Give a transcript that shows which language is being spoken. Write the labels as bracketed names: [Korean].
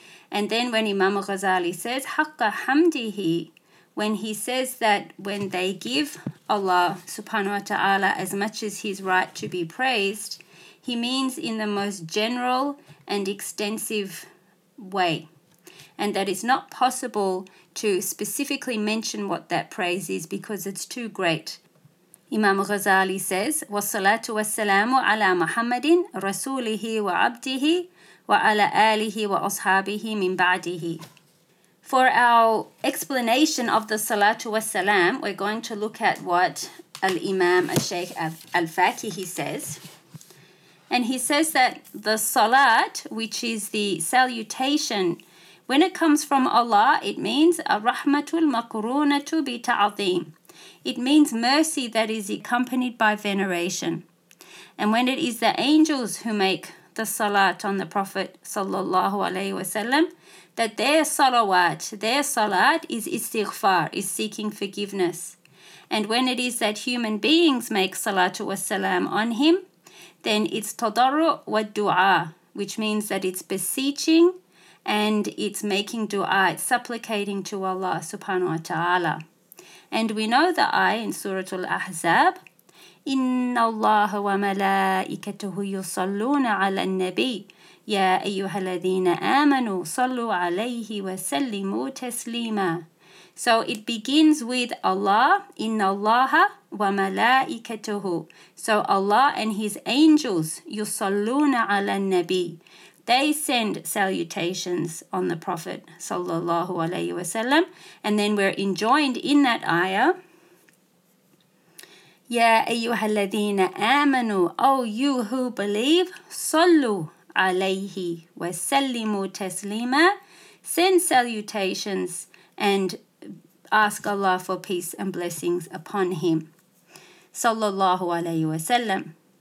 [English] And then when Imam Ghazali says, Haqqa hamdihi, when he says that when they give Allah subhanahu wa ta'ala as much as his right to be praised, he means in the most general and extensive way. And that it's not possible to specifically mention what that praise is because it's too great. [Arabic] Imam Ghazali says, وَالصَّلَاةُ وَالسَّلَامُ عَلَى مُحَمَّدٍ رَسُولِهِ وَعَبْدِهِ وَعَلَى آلِهِ وَأَصْحَابِهِ مِنْ بَعْدِهِ. [English] For our explanation of the Salatu wassalam, we're going to look at what Al-Imam Al-Shaykh Al-Fakihi says. And he says that the Salat, which is the salutation, when it comes from Allah, it means Ar-Rahmatul Maqrunatu bi Ta'zeem. It means mercy that is accompanied by veneration. And when it is the angels who make the Salat on the Prophet sallallahu alayhi wa sallam, that their salawat, their salat is istighfar, is seeking forgiveness. And when it is that human beings make salatu wassalam on him, then it's tadarru wa du'a, which means that it's beseeching and it's making du'a, it's supplicating to Allah subhanahu wa ta'ala. [Arabic] And we know the ayah in Surah Al-Ahzab, إِنَّ اللَّهَ وَمَلَائِكَتَهُ يُصَلُّونَ عَلَى النَّبِيِّ يَا أَيُّهَا الَّذِينَ آمَنُوا صَلُّوا عَلَيْهِ وَسَلِّمُوا تَسْلِيمًا. [English] So it begins with Allah, إِنَّ اللَّهَ وَمَلَائِكَتَهُ. So Allah and His angels, يُصَلُّونَ عَلَى النَّبِيِّ. They send salutations on the Prophet sallallahu alayhi wa sallam. And then we're enjoined in that ayah, Ya ayyuha alladhina amanu, O you who believe, sallu alayhi wa sallimu taslima, send salutations and ask Allah for peace and blessings upon him, sallallahu alayhi wa sallam.